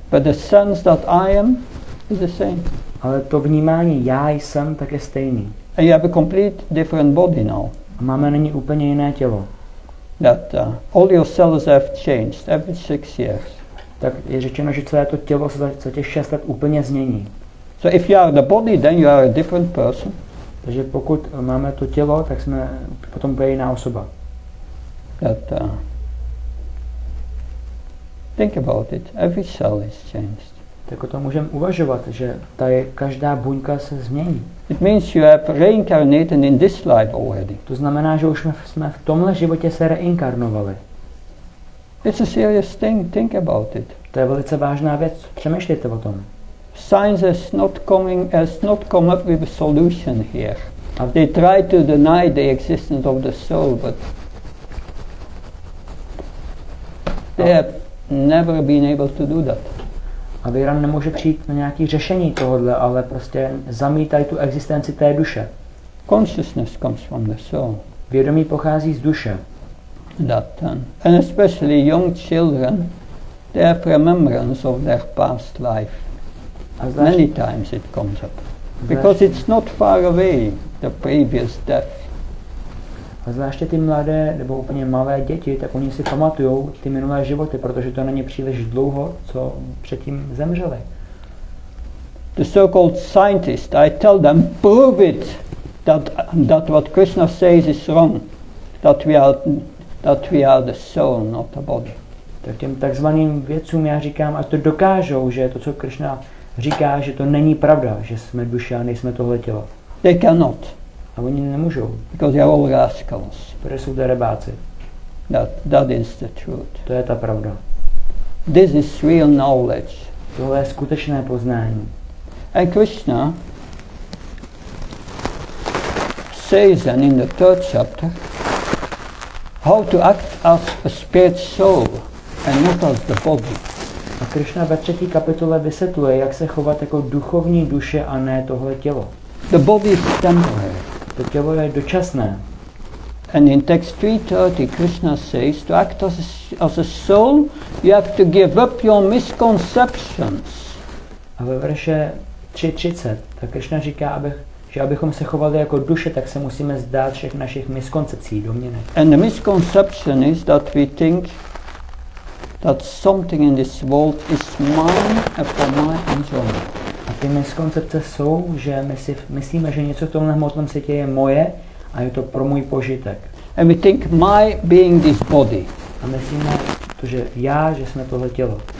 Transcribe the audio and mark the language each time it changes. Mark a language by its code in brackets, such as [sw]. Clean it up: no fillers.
[en] But the sense that I am is the same. [cs] Ale to vnímání já jsem tak je stejný. [en] And you have a complete different body now. [cs] A máme nyní úplně jiné tělo. [en] That all your cells have changed every 6 years. [cs] Tak je řečeno, že celé to tělo se za těch 6 let úplně změní. [en] So if you are the body, then you are a different person. [cs] Takže pokud máme to tělo, tak jsme potom bude jiná osoba. [en] That, think about it. Every cell is changed. [cs] Tak o tom můžeme uvažovat, že ta každá buňka se změní. [en] It means you have reincarnated in this life already. [cs] To znamená, že už jsme v tomhle životě se reinkarnovali. [en] It's a serious thing. Think about it. [cs] To je velice vážná věc. Přemýšlejte o tom. [en] Science has not come up with a solution here. They try to deny the existence of the soul, but they have never been able to do that. [cs] A věra nemůže přijít na nějaké řešení tohohle, ale prostě zamítají tu existenci té duše. [en] Consciousness comes from the soul. [cs] Vědomí pochází z duše. [en] That, and especially young children, they have remembrance of their past life. Many times it comes up. Because it's not far away, the previous death. [cs] A zvláště ty mladé nebo úplně malé děti, tak oni si pamatují ty minulé životy, protože to není příliš dlouho, co předtím zemřeli. [en] The so-called scientists, I tell them, prove it that what Krishna says is wrong. That we are the soul, not the body. [cs] Tak těm takzvaným vědcům já říkám, a to dokážou, že to, co Krishna říká, že to není pravda, že jsme duše a nejsme tohle tělo. [en] They cannot. [cs] A oni nemůžou. [en] Because they are all rascals. [cs] Protože jsou derebáci. [en] That is the truth. [cs] To je ta pravda. [en] This is real knowledge. [cs] Tohle je skutečné poznání. [en] And Krishna says then in the third chapter how to act as a spirit soul and not as the body. [cs] A Krishna ve 3. kapitole vysvětluje, jak se chovat jako duchovní duše a ne tohle tělo. [en] The body is temporary. [cs] To tělo je dočasné. [en] And in text 3:30 Krishna says to act as a soul, you have to give up your misconceptions. [cs] A ve verše 3:30 tak Krishna říká, abychom se chovali jako duše, tak se musíme zdát všech našich miskoncepcí, domněnek. [en] And the misconception is that we think that something in this world is mine for my enjoyment. [cs] A ty miskoncepce jsou, že my si myslíme, že něco v tomhle hmotném světě je moje a je to pro můj požitek. [en] And we think my being this body. [cs] A myslíme to, že já, že jsme tohle tělo.